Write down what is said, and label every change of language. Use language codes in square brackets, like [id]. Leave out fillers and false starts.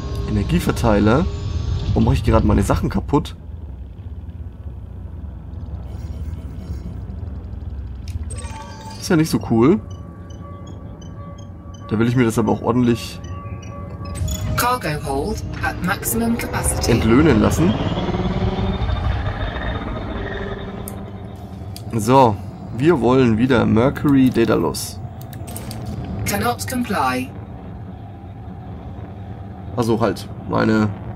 [de] Energieverteiler? Warum mache ich gerade meine Sachen kaputt? Ist ja nicht so cool. Da will ich mir das aber auch ordentlich [en] Cargo hold at maximum capacity. [de] Entlöhnen lassen. So, wir wollen wieder Mercury Daedalus. [en] Cannot comply. [de] Also halt, meine